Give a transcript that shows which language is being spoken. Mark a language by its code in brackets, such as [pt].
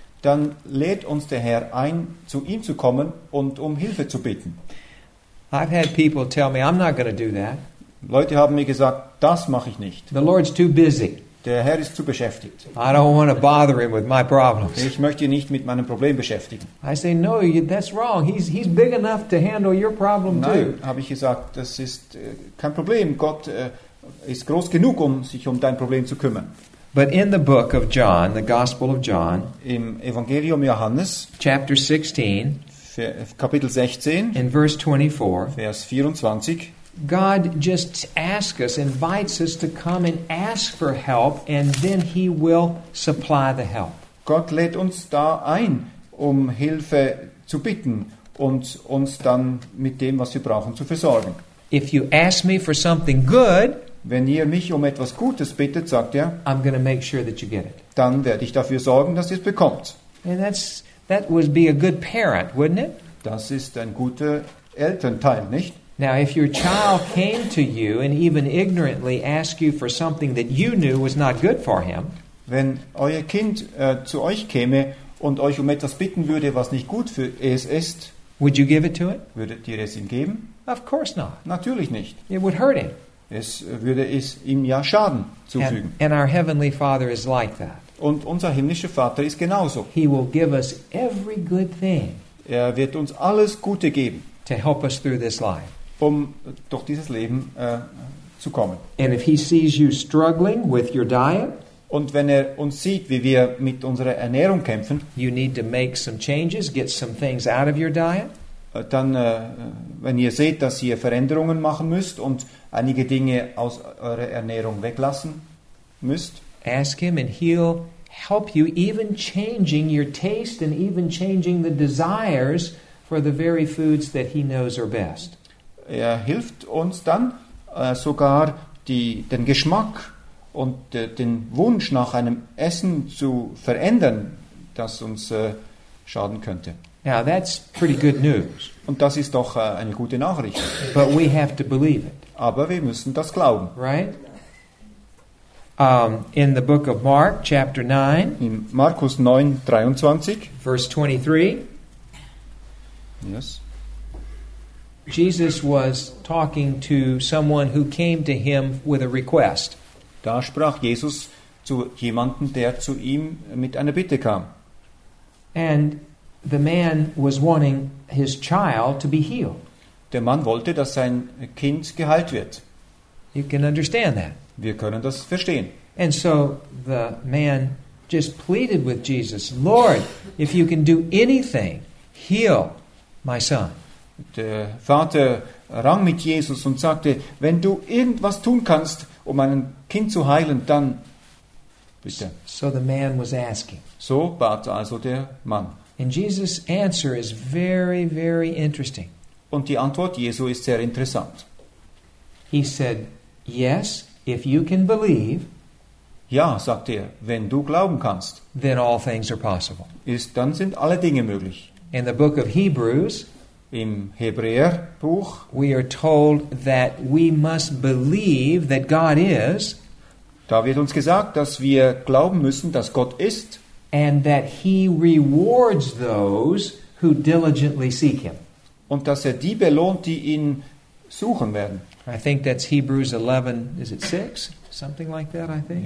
[de] Dann lädt uns der Herr ein, zu ihm zu kommen und um Hilfe zu bitten. [en] I've had people tell me I'm not going to do that. [de] Leute haben mir gesagt, das mache ich nicht. [en] The Lord's too busy. [de] Der Herr ist zu beschäftigt. [en] I don't want to bother him with my problems. [de] Ich möchte ihn nicht mit meinem Problem beschäftigen. [en] I say no, that's wrong. He's big enough to handle your problem [de] Nein, [en] too. [de] Nein, habe ich gesagt, das ist kein Problem. Gott ist groß genug, um sich um dein Problem zu kümmern. [en] But in the book of John, the Gospel of John, [de] im Evangelium Johannes, [en] chapter 16, [de] Kapitel 16, [en] in verse 24, [de] Vers 24. [en] God just asks us, invites us to come and ask for help, and then he will supply the help. [de] Gott lädt uns da ein, um Hilfe zu bitten und uns dann mit dem, was wir brauchen, zu versorgen. [en] If you ask me for something good, [de] wenn ihr mich um etwas Gutes bittet, sagt er, [en] I'm going to make sure that you get it. [de] Dann werde ich dafür sorgen, dass ihr es bekommt. [en] And that would be a good parent, wouldn't it? [de] Das ist ein guter Elternteil, nicht? [en] Now, if your child came to you and even ignorantly asked you for something that you knew was not good for him, [de] wenn euer Kind zu euch käme und euch um etwas bitten würde, was nicht gut für es ist, [en] would you give it to it? [de] Würdet ihr es ihm geben? [en] Of course not. [de] Natürlich nicht. [en] It would hurt him. [de] Es würde es ihm ja Schaden zufügen. [en] And our Heavenly Father is like that. [de] Und unser himmlischer Vater ist genauso. [en] He will give us every good thing. [de] Er wird uns alles Gute geben. [en] To help us through this life. [de] Um durch dieses Leben zu kommen. [en] And if he sees you struggling with your diet, [de] und wenn er uns sieht, wie wir mit unserer Ernährung kämpfen, [en] you need to make some changes, get some things out of your diet. [de] Dann, wenn ihr seht, dass ihr Veränderungen machen müsst und einige Dinge aus eurer Ernährung weglassen müsst, [en] ask him and he'll help you, even changing your taste and even changing the desires for the very foods that he knows are best. [de] Er hilft uns dann sogar den Geschmack und den Wunsch nach einem Essen zu verändern, das uns schaden könnte. [en] Now that's pretty good news. [de] Und das ist doch eine gute Nachricht. [en] But we have to believe it. [de] Aber wir müssen das glauben. [en] Right? In the book of Mark, chapter 9, [de] in Markus 9, 23, [en] verse 23, Yes. Jesus was talking to someone who came to him with a request. [de] Da sprach Jesus zu jemanden, der zu ihm mit einer Bitte kam. [en] And the man was wanting his child to be healed. [de] Der Mann wollte, dass sein Kind geheilt wird. [en] You can understand that. [de] Wir können das verstehen. [en] And so the man just pleaded with Jesus, Lord, if you can do anything, heal my son. [de] Der Vater rang mit Jesus und sagte, wenn du irgendwas tun kannst, um mein Kind zu heilen, dann bitte. [en] So the man was asking. [de] So bat also der Mann. [en] And Jesus' answer is very, very interesting. [de] Und die Antwort Jesu ist sehr interessant. [en] He said, yes, if you can believe, [de] ja, sagt er, wenn du glauben kannst, [en] then all things are possible. [de] Ist, dann sind alle Dinge möglich. [en] In the book of Hebrews, [de] im Hebräerbuch, [en] we are told that we must believe that God is, [de] da wird uns gesagt, dass wir glauben müssen, dass Gott ist, [en] and that he rewards those who diligently seek him. [de] Und dass er die belohnt, die ihn suchen werden. [en] I think that's Hebrews 11, is it 6? Something like that, I think.